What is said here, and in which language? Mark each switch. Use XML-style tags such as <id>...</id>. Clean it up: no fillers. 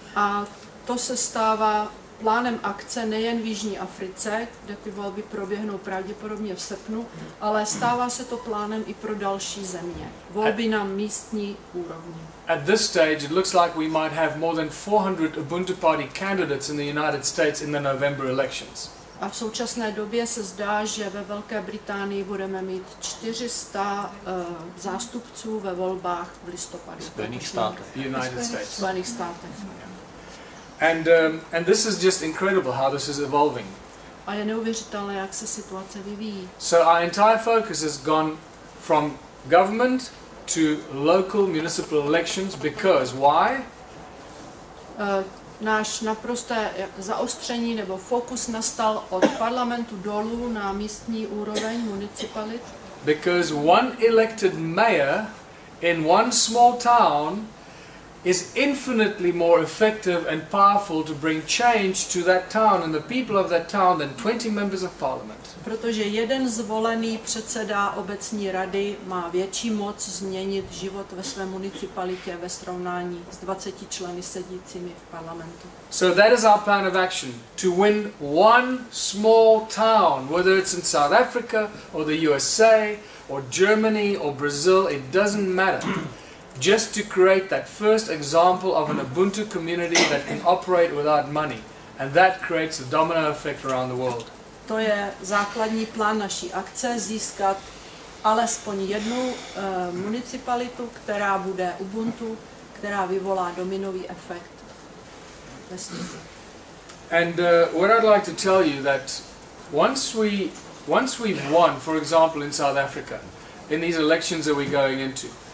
<cs>A to se stává plánem akce nejen v Jižní Africe, kde ty volby proběhnou pravděpodobně v srpnu, ale stává se to plánem i pro další země. Volby na místní úrovni.</cs> <en>At this stage it looks like we might have more than 400 Ubuntu Party candidates in the United States in the November elections.</en> <cs>A v současné době se zdá, že ve Velké Británii budeme mít 400 zástupců ve volbách v listopadu. Spojených států.</cs> <en>United States.</en> <cs>Spojených států.</cs> <en>And this is just incredible how this is evolving.</en> <cs>A je neuvěřitelné, jak se situace vyvíjí.</cs> <en>So our entire focus has gone from government to local municipal elections because why?</en> <cs>Náš naprosté zaostření nebo fokus nastal od parlamentu dolů na místní úroveň municipalit.</cs> <en>Because one elected mayor in one small town is infinitely more effective and powerful to bring change to that town and the people of that town than 20 members of parliament.</en> <cs>Protože jeden zvolený předseda obecní rady má větší moc změnit život ve své municipalitě ve srovnání s 20 členy sedícími v parlamentu.</cs> <en>So that is our plan of action, to win one small town, whether it's in South Africa or the USA or Germany or Brazil, it doesn't matter. Just to create that first example of an Ubuntu community that can operate without money, and that creates a domino effect around the world.</en> <cs>To je základní plán naší akce, získat alespoň jednu municipalitu, která bude Ubuntu, která vyvolá dominový efekt.</cs> <en>And what I'd like to tell you that once we've won, for example, in South Africa, in these elections that we're going into.</en>